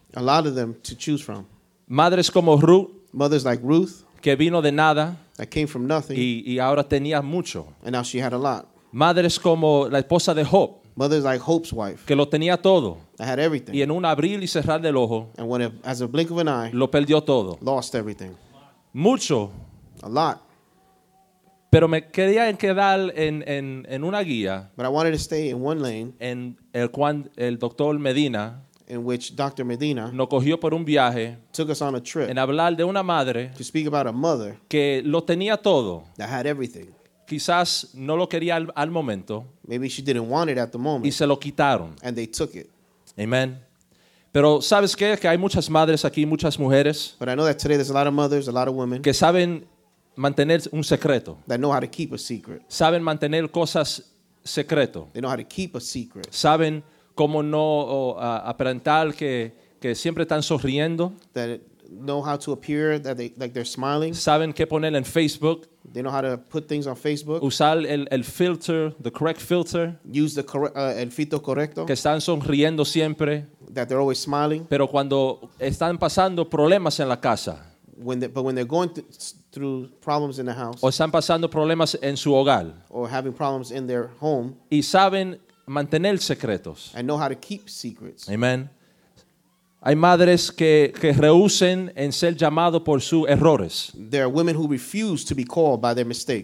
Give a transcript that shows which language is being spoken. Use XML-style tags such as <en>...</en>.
<en>A lot of them to choose from.</en> <es>Madres como Ruth.</es> <en>Mothers like Ruth.</en> <es>Que vino de nada.</es> <en>That came from nothing.</en> <es>Y ahora tenía mucho.</es> <en>And now she had a lot.</en> <es>Madres como la esposa de Job.</es> <en>Mothers like Hope's wife.</en> <es>Que lo tenía todo.</es> <en>That had everything.</en> <es>Y en un abrir y cerrar del ojo.</es> <en>And when as a blink of an eye.</en> <es>Lo perdió todo.</es> <en>Lost everything.</en> <es>Mucho.</es> <en>A lot.</en> <es>Pero me quería quedar en una guía.</es> <en>But I wanted to stay in one lane.</en> <es>En el doctor Medina.</es> <en>In which Dr. Medina</en> <es>nos cogió por un viaje,</es> <en>took us on a trip</en> <es>en hablar de una madre,</es> <en>to speak about a mother</en> <es>que lo tenía todo,</es> <en>that had everything.</en> <es>Quizás no lo quería al momento,</es> <en>maybe she didn't want it at the moment.</en> <es>Y se lo quitaron.</es> <en>And they took it.</en> <es>Amen. Pero ¿sabes qué? Que hay muchas madres aquí, muchas mujeres,</es> <en>but I know that today there's a lot of mothers, a lot of women</en> <es>que saben mantener un secreto,</es> <en>that know how to keep a secret.</en> <es>Saben mantener cosas secreto.</es> <en>They know how to keep a secret.</en> <es>Saben cómo no aparentar que siempre están sonriendo.</es> <en>That know how to appear that they like they're smiling.</en> <es>Saben qué poner en Facebook.</es> <en>They know how to put things on Facebook.</en> <es>Usar el</es> <en>filter, the correct filter. Use the</en> <es>el filtro correcto. Que están sonriendo siempre.</es> <en>That they're always smiling.</en> <es>Pero cuando están pasando problemas en la casa.</es> <en>When they're going through problems in the house.</en> <es>O están pasando problemas en su hogar.</es> <en>Or having problems in their home.</en> <es>Y saben mantener secretos.</es> <en>And know how to keep secrets.</en> <es>Amen. Hay madres que rehúsen en ser llamado por sus errores.</es> <en>There are women who refuse to be called by their mistakes.</en>